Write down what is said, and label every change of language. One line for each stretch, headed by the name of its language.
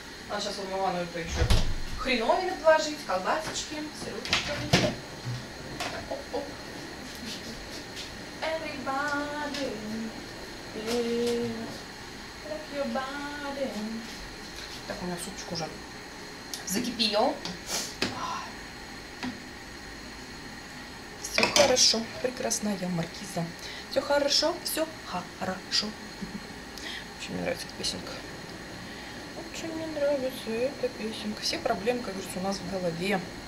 Russian: А сейчас в ванную-то еще хреновину положить, колбасочки, сырочки.
English: Everybody, please, rock your body.
Russian: Так, у меня супчик уже закипел. Все хорошо, прекрасная маркиза. Все хорошо, все хорошо. Очень мне нравится эта песенка. Очень мне нравится эта песенка. Все проблемы, как говорится, у нас в голове.